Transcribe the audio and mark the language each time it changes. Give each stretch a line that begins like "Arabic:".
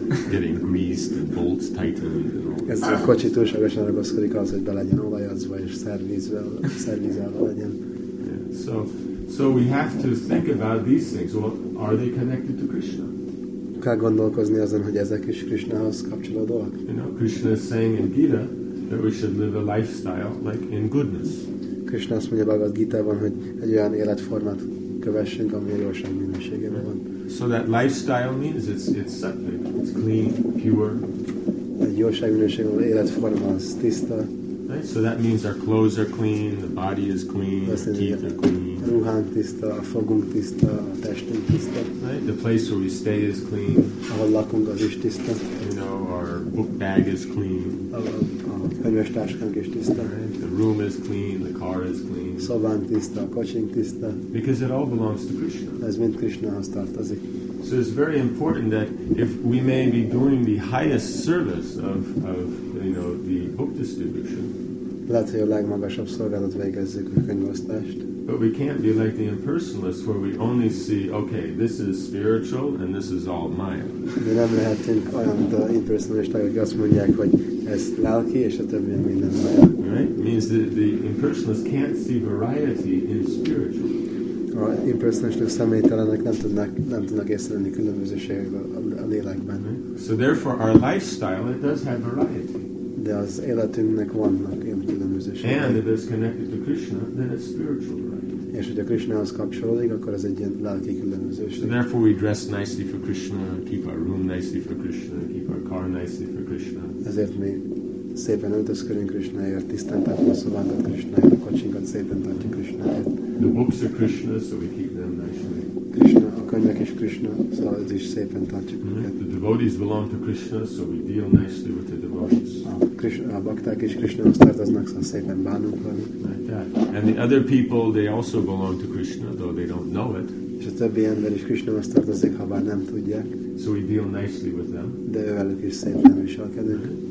English: Getting greased and bolts tightened.
Hungarian: Ez a kocsi túlságosan ragaszkodik az, hogy be legyen olajazva és szervizelve legyen.
English: Yeah. So we have to think about these things. Well, are they connected to Krishna?
Hungarian: Kell gondolkozni azon, hogy ezek is Krishnához kapcsolódóak.
English: You know, Krishna is saying in Gita that we should live a lifestyle like in goodness.
Hungarian: Krishna azt mondja Bhagavad Gita-ban, hogy egy olyan életformát kövessünk, ami a jóság minőségében van.
English: So that lifestyle means it's something. It's clean, pure.
Hungarian: Egy jóság minőségben életforma az tiszta.
English: Right? So that means our clothes are clean, the body is clean, our teeth are clean.
Hungarian: A ruhánk tiszta, a fogunk tiszta, a testünk tiszta.
English: Right? The place where we stay is clean.
Hungarian: Ahol lakunk az is tiszta.
English: You know, our book bag is clean.
Hungarian: A könyvestáskánk is tiszta.
English: Right? The room is clean, the car is clean.
Hungarian: Szobánk tiszta, a kocsink tiszta.
English: Because it all belongs to Krishna.
Hungarian: Ez mind Krishnához tartozik.
English: So it's very important that if we may be doing the highest service of you know the book distribution,
Hungarian: lehet, hogy a legmagasabb szolgálatot végezzük, a könyvosztást.
English: But we can't be like the impersonalists where we only see, okay, this is spiritual and this is all Maya.
Hungarian: De nem lehetünk olyan impersonalisták, hogy azt mondják, hogy ez lelki és a többi minden Maya.
English: Right? Means that the impersonalists can't see variety in spiritual.
Hungarian: A impersonalistok személytelenek nem tudnak észrevenni különbözőséget a lélekben.
English: So therefore our lifestyle it does have variety.
Hungarian: De az életünknek vannak ilyen különbözőségek.
English: And if it's connected to Krishna, then it's spiritual variety.
Hungarian: És hogyha Krishnahoz kapcsolódik, akkor az egy ilyen lelki különbözőség.
English: So therefore we dress nicely for Krishna, keep our room nicely for Krishna, keep our car nicely for Krishna.
Hungarian: Ezért mi szépen öltözködünk Krishnáért, tisztán tartjuk a szobánkat Krishnáért, a kocsinkat szépen tartjuk Krishnáért.
English: The books are Krishna, so we keep them nicely.
Hungarian: Krishna, a könyvek is Krishna, szóval ez is szépen tartjuk.
English: The devotees belong to Krishna, so we deal nicely with the devotees.
Hungarian: A bakták is Krishnához tartoznak, szóval szépen bánunk velük.
English: Like that. And the other people, they also belong to Krishna, though they don't know it.
Hungarian: És a többi ember is Krishnához tartozik, ha bár nem tudják.
English: So we deal nicely with them.
Hungarian: De velük is szépen viselkedünk.